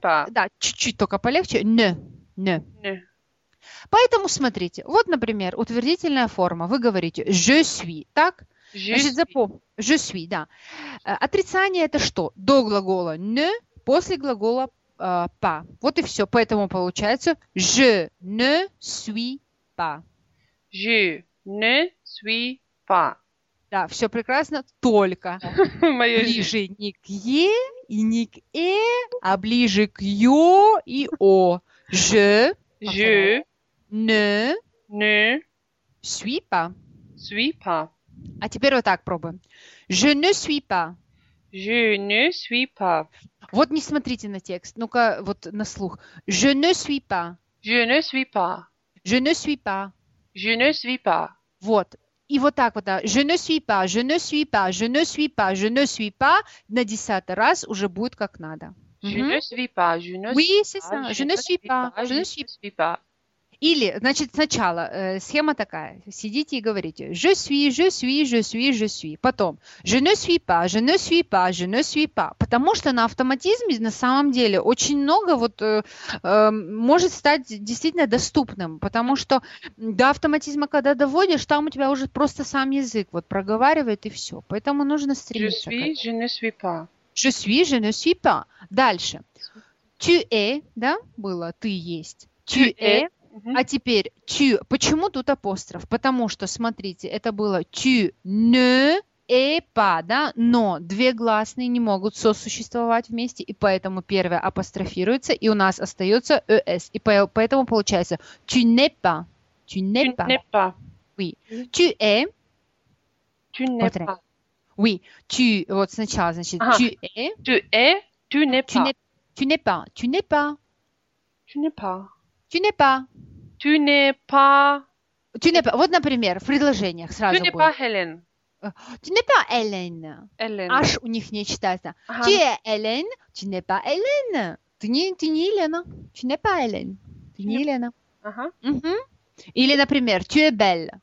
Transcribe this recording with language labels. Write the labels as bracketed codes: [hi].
[ru] Да, чуть-чуть только полегче. Не. Не. Не. Поэтому смотрите. Вот, например, утвердительная форма. Вы говорите [fr] «je suis», [ru] так? [fr] Je suis. Je suis, [ru] да. Отрицание – это что? До глагола ne, после глагола pas. Вот и все. Поэтому получается [fr] je ne suis pas. Je ne suis pas. [ru] Да, все прекрасно, только ближе не к е и не к э, а ближе к ё и о. [fr] Je, je ne, ne suis pas. Suis pas. [ru] А теперь вот так пробуем. [fr] Je ne suis pas. Je ne suis pas. [ru] Вот не смотрите на текст, ну-ка вот на слух. [fr] Je ne suis pas. Je ne suis pas. Je ne suis pas. Je ne suis pas. [ru] Вот. И вот так вот. Да. [fr] Je ne suis pas. Je ne suis pas. Je ne suis pas. Je ne suis pas. [ru] На десятый раз уже будет как надо. [fr] Je ne suis pas. Je ne suis pas. Oui, c'est ça. Je ne suis pas. Je ne suis pas. [ru] Или, значит, сначала схема такая. Сидите и говорите [fr] «Je suis, je suis, je suis, je suis». [ru] Потом [fr] «Je ne suis pas, je ne suis pas, je ne suis pas». [ru] Потому что на автоматизме на самом деле очень много вот, может стать действительно доступным. Потому что до автоматизма, когда доводишь, там у тебя уже просто сам язык вот проговаривает и все. Поэтому нужно стремиться. [fr] «Je suis, je ne suis pas». «Je suis, je ne suis pas». [ru] Дальше. [fr] «Tu es», [ru] да, было «ты есть». [fr] «Tu es». [ru] А теперь tu. Почему тут апостроф? Потому что, смотрите, это было [fr] tu ne es pas, [ru] да? Но две гласные не могут сосуществовать вместе, и поэтому первое апострофируется, и у нас остается es. И поэтому получается [fr] tu n'es pas. Tu n'es pas. Tu n'es pas. Oui. Tu es. Tu n'es pas. Oui. Tu. [ru] Вот сначала, значит, ah. [fr] tu es. Tu es. Tu n'es pas. Tu n'es pas. Tu n'es pas. Tu n'es pas. Tu n'es pas. Tu n'es pas. Tu n'es pas. Tu n'es pas. [ru] Вот, например, в предложениях сразу будет. [fr] Tu n'es pas Helen. Tu n'es pas Helen. Helen. [ru] Аж у них не читается. Ага. [fr] Tu es Helen. Tu n'es pas Helen. [ru] Ты не Елена. [fr] Tu n'es pas Helen. [ru] Ты не Елена. Ага. Угу. Или, например, [fr] tu es belle.